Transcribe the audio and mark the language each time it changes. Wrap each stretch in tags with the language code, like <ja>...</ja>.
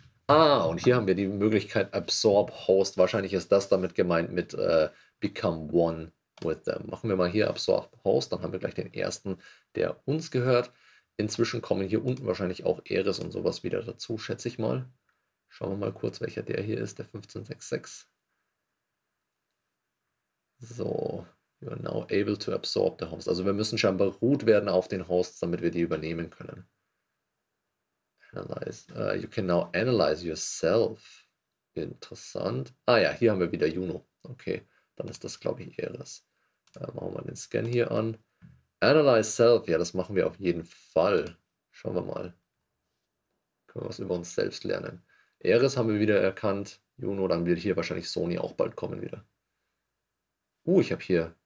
<de>Ah, und hier haben wir die Möglichkeit Absorb Host. Wahrscheinlich ist das damit gemeint mit</de> <en>Become One with them.</en> <de>Machen wir mal hier Absorb Host, dann haben wir gleich den ersten, der uns gehört. Inzwischen kommen hier unten wahrscheinlich auch Ares und sowas wieder dazu, schätze ich mal. Schauen wir mal kurz, welcher der hier ist, der 1566.</de> <en>So, you are now able to absorb the host.</en> <de>Also wir müssen scheinbar root werden auf den Host, damit wir die übernehmen können.</de> <en>Analyze. You can now analyze yourself.</en> <de>Interessant. Ah ja, hier haben wir wieder Juno. Okay, dann ist das, glaube ich, Ares. Machen wir den Scan hier an.</de> <en>Analyze self.</en> <de>Ja, das machen wir auf jeden Fall. Schauen wir mal. Können wir was über uns selbst lernen. Ares haben wir wieder erkannt. Juno, dann wird hier wahrscheinlich Sony auch bald kommen wieder. Ich habe hier</de>